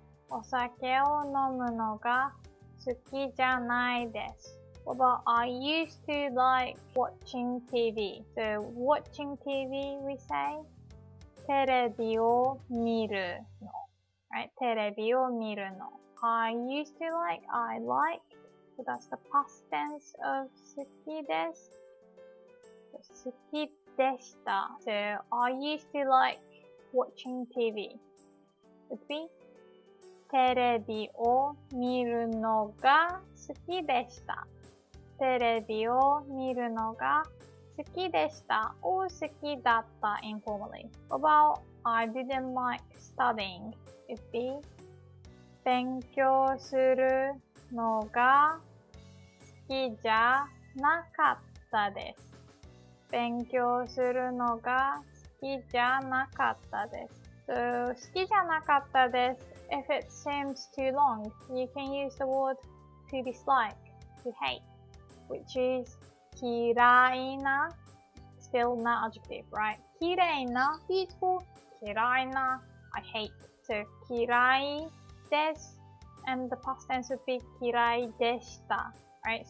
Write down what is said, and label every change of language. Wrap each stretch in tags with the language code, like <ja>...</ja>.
<ja>お酒を飲むのが好きじゃないです.</ja> <en>What about I used to like watching TV. So watching TV, we say</en> <ja>テレビを見るの,</ja> <en>right?</en> <ja>テレビを見るの。</ja> <en>I used to like, I like, so that's the past tense of 好きです.</en> <ja>好きでした.</ja> <en>So I used to like watching TV. Would be</en> <ja>テレビを見るのが好きでした. テレビを見るのが好きでした.</ja> <en>Or</en> <ja>好きだった</ja> <en>informally. What about I didn't like studying? Would be</en> <ja>勉強するのが好きじゃなかったです。勉強するのが好きじゃなかったです。 So, 好きじゃなかったです。</ja> <en>If it seems too long, you can use the word to dislike, to hate, which is 嫌いな, still not adjective, right? 嫌いな, beautiful, 嫌いな, I hate. So,</en> <ja>嫌いです,</ja> <en>and the past tense would be</en> <ja>嫌いでした,</ja> <en>right?</en>